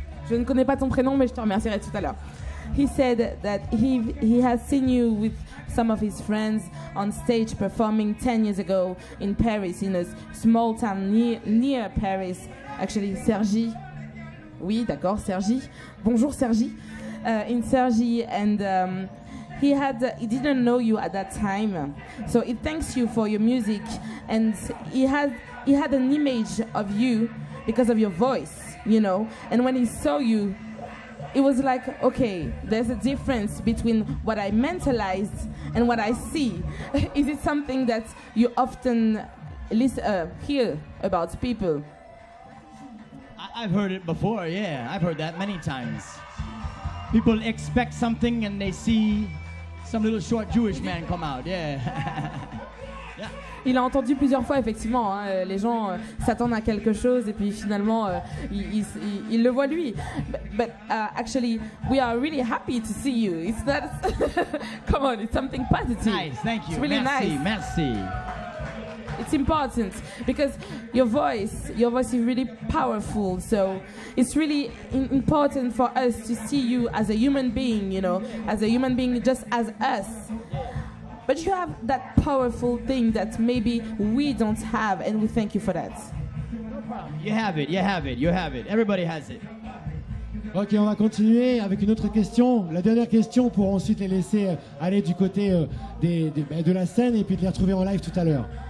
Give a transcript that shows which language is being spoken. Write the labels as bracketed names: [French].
[French] Je ne connais pas ton prénom, mais je te remercierai tout à l'heure. [English] He said that he has seen you with some of his friends on stage performing 10 years ago in Paris, in a small town near Paris. Actually, Cergy. [French] Oui, d'accord, Cergy. Bonjour, Cergy. [English] In Cergy, and he didn't know you at that time. So he thanks you for your music, and he had an image of you because of your voice. You know, and when he saw you, it was like, okay, there's a difference between what I mentalized and what I see. Is it something that you often hear about people? I've heard it before, yeah. I've heard that many times. People expect something and they see some little short Jewish man come out. Yeah. [French] Il a entendu plusieurs fois, effectivement, hein, les gens s'attendent à quelque chose et puis finalement, il le voit lui. [English] But actually, we are really happy to see you. It's not... Come on, it's something positive. Nice, thank you. It's really [French] merci, [English] nice. [French] Merci. [English] It's important because your voice is really powerful. So it's really important for us to see you as a human being, you know, as a human being just as us. But you have that powerful thing that maybe we don't have, and we thank you for that. You have it. Everybody has it. [French] Ok, on va continuer avec une autre question. La dernière question pour ensuite les laisser aller du côté de la scène et puis de les retrouver en live tout à l'heure.